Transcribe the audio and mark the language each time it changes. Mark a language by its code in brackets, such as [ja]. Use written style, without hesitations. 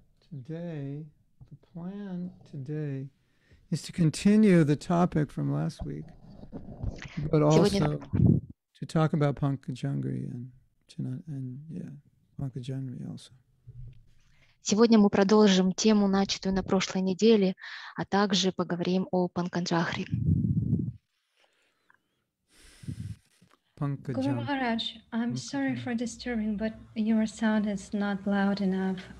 [en] Today, the plan today is to continue the topic from last week, but also to talk about Панкаджангри and yeah. [ru] Сегодня мы продолжим тему, начатую на прошлой неделе, а также поговорим о Панкаджахре. [en] Guru Maharaj, I'm sorry for disturbing, but your sound is not loud enough.